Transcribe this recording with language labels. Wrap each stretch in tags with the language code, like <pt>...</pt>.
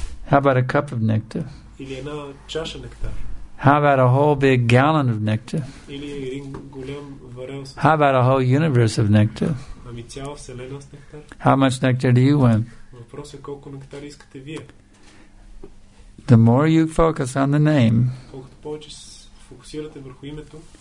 <en>How about a cup of nectar?</en> <bg>Или една чаша нектар?</bg> <en>How about a whole big gallon of nectar?</en> <bg>Или един голям варел с...</bg> <en>How about a whole universe of nectar?</en> <bg>Ами цяла вселена с нектар?</bg> <en>How much nectar do you want?</en> <bg>Въпрос е колко нектар искате вие?</bg> <en>The more you focus on the name,</en> <bg>колкото повече се фокусирате върху името,</bg>